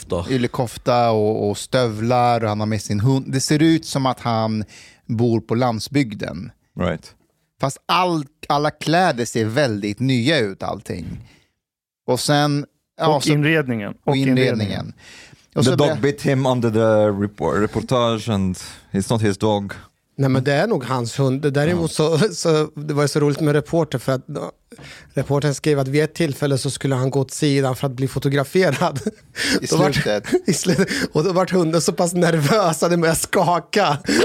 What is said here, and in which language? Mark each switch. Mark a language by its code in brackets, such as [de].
[sv] Ylle-kofta och stövlar, och han har med sin hund. Det ser ut som att han bor på landsbygden. [en] Right. [sv] Fast alla kläder ser väldigt nya ut, allting. Och sen... Och inredningen. [en] Och the dog bit him under the reportage and it's not his dog. [sv] Nej, men det är nog hans hund. Däremot så det var ju så roligt med reporter, för att reportern skrev att vid ett tillfälle så skulle han gå åt sidan för att bli fotograferad. I slutet. Och då vart hunden så pass nervös att den började skaka.